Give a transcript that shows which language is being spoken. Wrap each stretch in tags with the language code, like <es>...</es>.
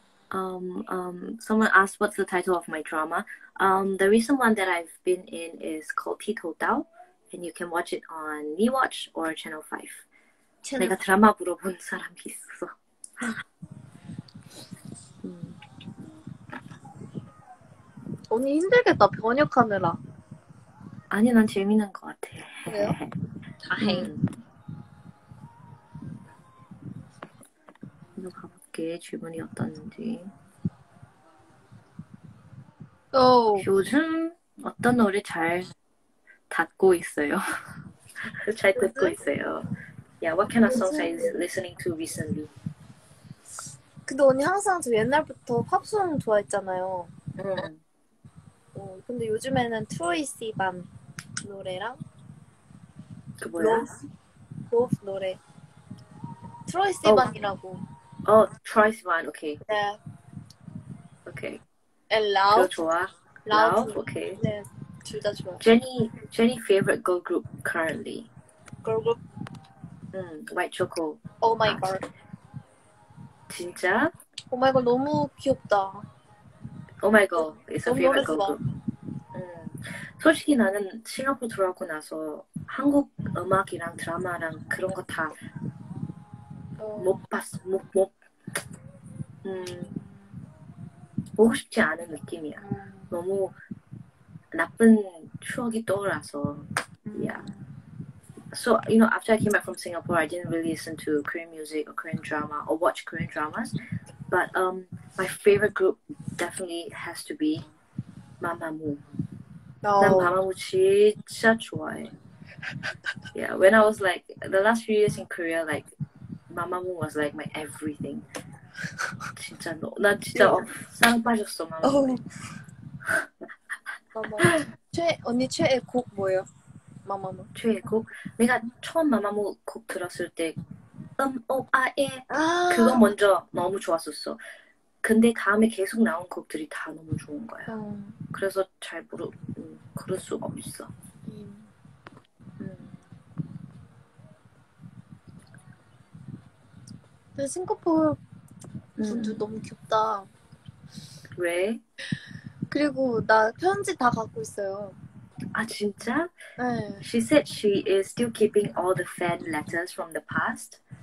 <en>Someone asked what's the title of my drama. The recent one that I've been in is called Tito Dao, and you can watch it on MeWatch or Channel 5.</en> <ko>내가 드라마 물어본 사람이 있어. 언니 힘들겠다 번역하느라. 아니 난 재밌는 것 같아. 왜요? 다행. 질문이 어떤지. 오. 요즘 어떤 노래 잘 닫고 있어요? 잘 듣고 요즘? 있어요.</ko> <en>Yeah, what kind of songs are you listening to recently?</en> <ko>근데 언니 항상 저 옛날부터 팝송 좋아했잖아요. 근데 요즘에는 트로이 시반 노래랑 그 뭐야? 로브 노래. 트로이 시반이라고.</ko> <en>Oh, Troye Sivan, okay. Yeah. Okay. And Love.</en> <ko>그거 좋아.</ko> <en>Love, okay.</en> <ko>네, 둘 다 좋아.</ko> <en>Jenny favorite girl group currently. Girl group? White Choco. Oh my god.</en> <ko>진짜?</ko> <en>Oh my god,</en> <ko>너무 귀엽다.</ko> <en>Oh my god, it's a favorite girl group.</en> <ko>솔직히 나는 싱가포르 들어가고 나서 한국 음악이랑 드라마랑 그런 거 다 못 봤어. 보고 싶지 않은 느낌이야. 너무 나쁜 추억이 떠올라서.</ko> <en>Yeah. So, you know, after I came back from Singapore, I didn't really listen to Korean music or Korean drama or watch Korean dramas. But my favorite group definitely has to be 마마무.</en> <ko>No. 난 마마무 진짜 좋아해.</ko> <en>Yeah, when I was like the last few years in Korea, like 마마무 was like my everything.</en> <ko>진짜 너, 나 진짜 사랑 빠졌어 마마무. 마마무 최 언니 최애 곡 뭐예요? 마마무 최애 곡? 내가 처음 마마무 곡 들었을 때 Thumb of I A 그거 먼저 너무 좋았었어. 근데 다음에 계속 나온 곡들이 다 너무 좋은 거야. 그래서 잘 모르 그럴 수가 없어. 근데 싱가포르 분들 너무 귀엽다. 왜? 그리고 나 편지 다 갖고 있어요. 아 진짜? 네.</ko> <en>She said she is still keeping all the fan letters from the past.</en>